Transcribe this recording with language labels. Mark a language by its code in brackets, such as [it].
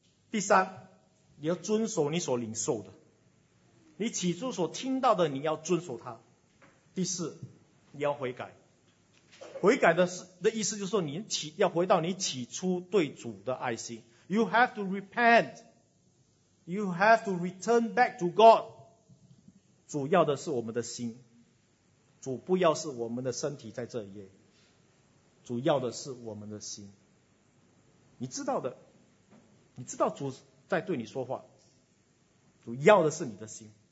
[zh] 第三，你要遵守你所领受的，你起初所听到的你要遵守它。第四，你要悔改。悔改的意思就是说，你要回到你起初对主的爱心。 [en] You have to repent. You have to return back to God. [zh] 主要的是我们的心，主不要是我们的身体在这里，主要的是我们的心。你知道的，你知道主在对你说话，主要的是你的心。